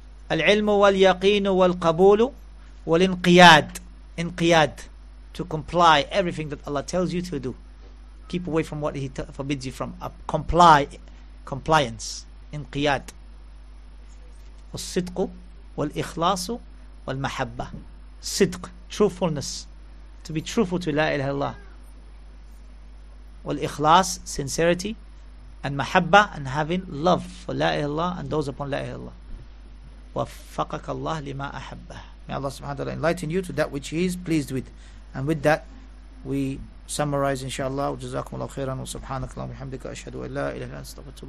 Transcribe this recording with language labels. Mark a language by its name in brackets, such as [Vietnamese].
[Arabic] العلم واليقين والقبول والانقياد. [English] انقياد, to comply everything that Allah tells you to do. Keep away from what He forbids you from. Comply, compliance. انقياد. [Arabic] والصدق والإخلاص والمحبة. [English] صدق, truthfulness. To be truthful to La ilaha illallah. والإخلاص, sincerity. And محبة, and having love for La ilaha illallah and those upon La ilaha illallah. [Arabic] وفقك الله لما أحبه. [English] May Allah subhanahu wa ta'ala enlighten you to that which He is pleased with. And with that, we summarize inshallah. [Arabic] جزاكم الله خيرا وسبحانك اللهم وبحمدك أشهد أن لا إله إلا أنت أستغفرك.